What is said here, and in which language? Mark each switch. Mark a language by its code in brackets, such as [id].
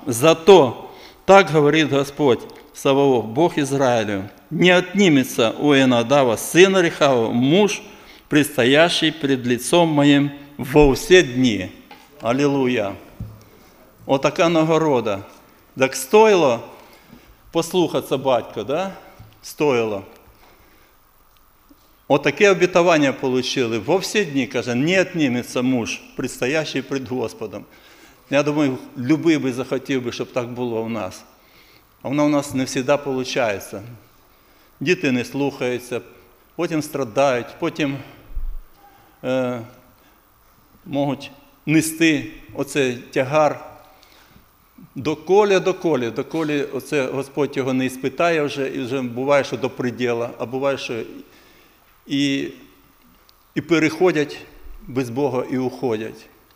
[ru] За то, так говорит Господь Саваоф, Бог Израилю, не отнимется у Надава сына Рихава, муж, предстоящий перед лицом моим во все дни. Аллилуйя. Вот такая нагорода. Так стоило послухаться батько, да? Стоило. Вот такие обетования получили. Во все дни, каже, не отнимется муж, предстоящий перед Господом. [uk] Я думаю, любий би захотів би, щоб так було у нас. А воно у нас не завжди получается. Діти не слухаються, потім страдають, потім можуть нести оцей тягар доколі оце Господь його не іспитає вже, і вже буває, що до приділа, а буває, що і переходять без Бога і уходять.